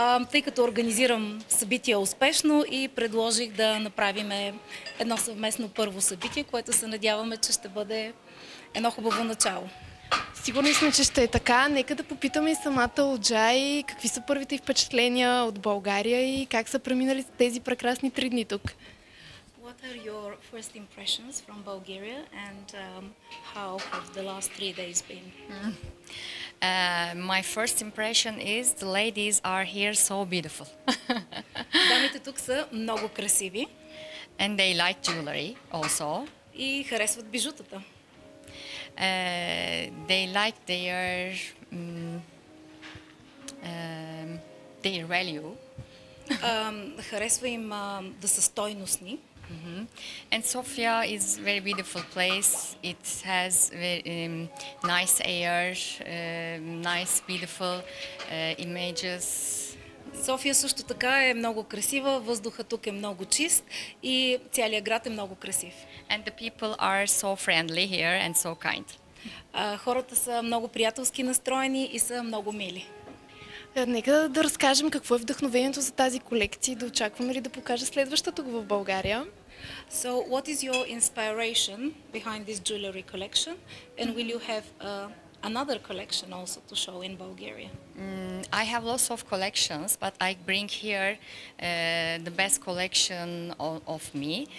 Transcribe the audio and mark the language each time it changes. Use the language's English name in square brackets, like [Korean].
[Bulgarian] Тъй като организирам събития успешно и предложих да направим едно съвместно първо събитие, което се надяваме, че ще бъде едно хубаво начало. Сигурни сме, че ще е така. Нека да попитаме и самата Оджай, какви са първите впечатления от България и как са преминали тези прекрасни три дни тук. [English] What are your first impressions from Bulgaria and how have the last three days been? My first impression is the ladies are here so beautiful. [Bulgarian] Дамите тук са много красиви. [English] And they like jewelry also. [Bulgarian] И харесват бижутата. [English] They like their value. [Bulgarian] Харесва им да са стойностни. Mm-hmm. [English] And Sofia is very beautiful place. It has nice air, nice beautiful images. [Bulgarian] София също така е много красива, въздухът тук е много чист и целият град е много красив. [English] And the people are so friendly here and so kind. [Bulgarian] Хората са много приятелски настроени и са много мили. Нека да разкажем какво е вдъхновението за тази колекция и да очакваме ли да покажа следващата тук в България. [English] So what is your inspiration behind this jewelry collection and will you have another collection also to show in Bulgaria? I have lots of collections, but I bring here the best collection of me.